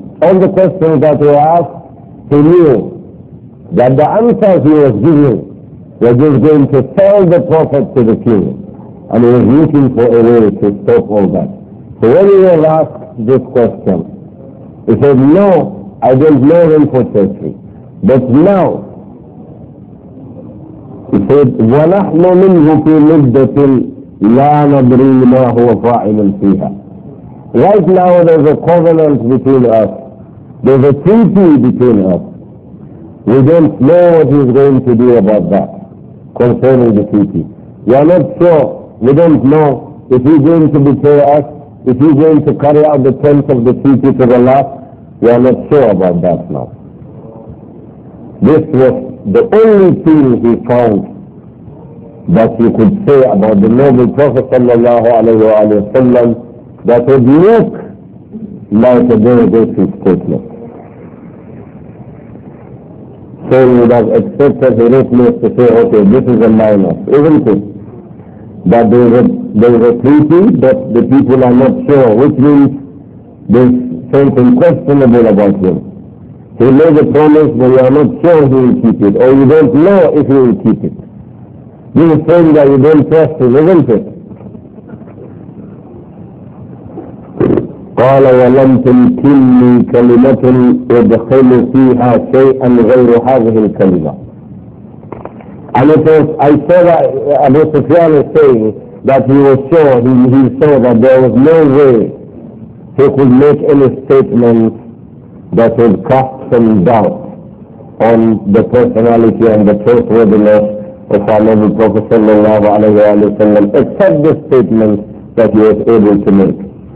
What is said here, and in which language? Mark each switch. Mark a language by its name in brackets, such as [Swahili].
[English] All the questions that were asked, he knew that the answers he was giving were just going to sell the Prophet to the king. And he was looking for a way to stop all that. So when he was asked this question, he said, no, I don't know him for treachery. But now, he said, [Arabic] وَنَحْنُ مِنْهُ فِي مِدَّةٍ لَا نَدْرِي مَا هُوَ فَاعِلٌ فِيهَا. [English] Right now there's a covenant between us. There's a treaty between us. We don't know what he's going to do about that, concerning the treaty. We are not sure. We don't know if he's going to betray us, if he's going to carry out the terms of the treaty to the last. We are not sure about that now. This was the only thing he found that he could say about the noble Prophet sallallahu alayhi wa sallam that would look like a very basic statement. So he would have expected the witness to say, okay, this is a minus, isn't it? That there is a treaty that the people are not sure, which means this something questionable about him. He made a promise, but you are not sure he will keep it, or you don't know if he will keep it. You are saying that you don't trust him, isn't it? [Arabic] قال ولم تمكنني كلمة ادخل فيها شيئا غير هذه الكلمة. [English] And it was, I saw that Abu Sufyan is saying that he saw that there was no way he could make any statement that would cast some doubt on the personality and the trustworthiness of our Nabi Prophet sallallahu alayhi wa sallam, except the statement that he was able to make.